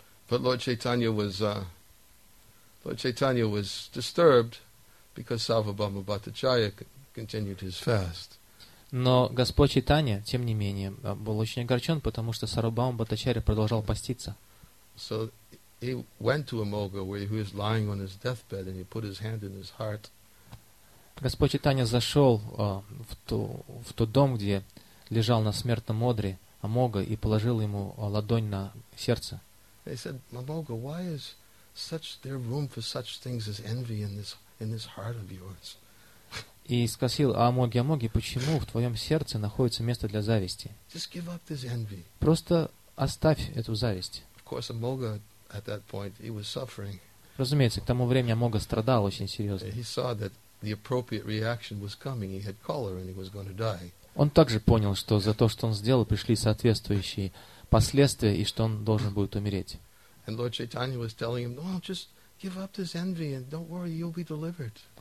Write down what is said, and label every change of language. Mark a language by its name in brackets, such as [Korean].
[English] But Lord Chaitanya was disturbed because Sarvabhauma Bhattacharya continued his fast. [Russian] Но Господь Чайтанья, тем не менее, был очень огорчен, потому что Сарвабхаума Бхаттачарья продолжал поститься. [English] So he went to Amogha, where he was lying on his deathbed, and he put his hand in his heart. [Russian] Господь Чайтанья зашел в тот дом, где лежал на смертном одре Амога, и положил ему ладонь на сердце. [English] They said, Amogha, why is such there room for such things as envy in this heart of yours? [Russian] И спросил Амоги, почему в твоем сердце находится место для зависти? [English] Just give up this envy. [Russian] Просто оставь эту зависть. [English] Of course, Amogha at that point he was suffering. [Russian] Разумеется, к тому времени Амога страдал очень серьезно. [English] He saw that the appropriate reaction was coming. He had cholera and he was going to die. [Russian] Он также понял, что за то, что он сделал, пришли соответствующие последствия и что он должен будет умереть. [English] And Lord Chaitanya was telling him, "Well, just give up this envy and don't worry, you'll be delivered."